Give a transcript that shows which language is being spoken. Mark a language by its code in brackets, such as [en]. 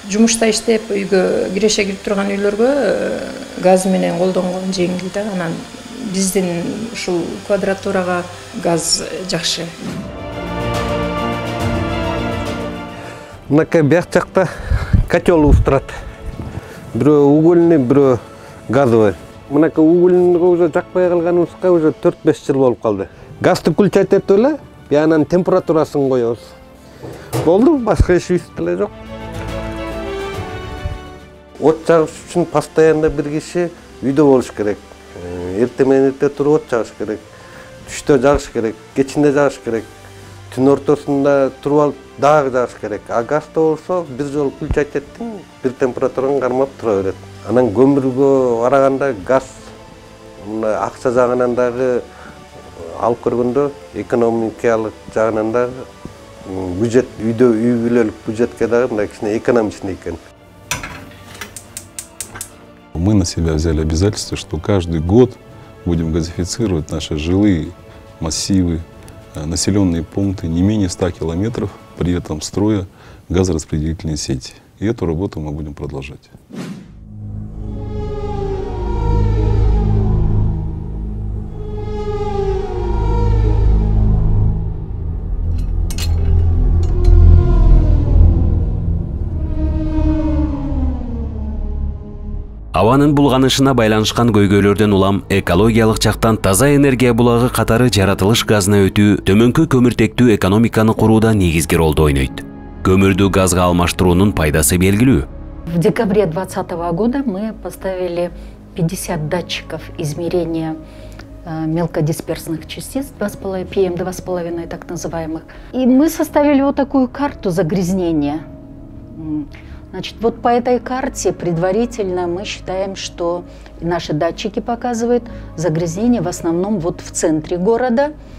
[ky] Жумушта иштеп, үйгө киреше кирип турган үйлөргө газ менен колдонгон жеңил да, анан биздин ушул квадратурага газ жакшы. Мынакай бияк жакта котел устурат. Бирөө угольный, бирөө газовый. Мынакы угульга уже жакпай калганыбызга уже 4-5 жыл болуп калды. Газды включать этип эле, анан температурасын коебуз. Болду, башка ишибиз деле жок. От жагыш үчүн постоянно бир киши үйдө болуш керек. Эртең менен эрте туруп от жагыш керек. Түштө жагыш керек, кечинде жагыш керек. Түн ортосунда туруп алып дагы жагыш керек. А газда болсо бир жолу включать эттиң, бир температураң кармап тура берет. Анан көмүргө караганда газ мына акча жагынан дагы алып көргөндө экономикалык жагынан дагы бюджет үйдө үй бүлөлүк бюджетке дагы мына кичине экономичный экен. [ru] Мы на себя взяли обязательство, что каждый год будем газифицировать наши жилые массивы, населенные пункты не менее 100 километров, при этом строя газораспределительные сети. И эту работу мы будем продолжать. [ky] Аванын булганышына байланышкан көйгөйлөрдөн улам экологиялык жактан таза энергия булагы катары жаратылыш газына өтүү төмөнкү көмүртектүү экономиканы курууда негизги ролду ойнойт. Көмүрдү газга алмаштыруунун пайдасы белгилүү. [ru] В декабре 2020 года мы поставили 50 датчиков измерения мелкодисперсных частиц, 2,5 PM, 2,5 так называемых. И мы составили вот такую карту загрязнения. Значит, вот по этой карте предварительно мы считаем, что наши датчики показывают загрязнение в основном вот в центре города.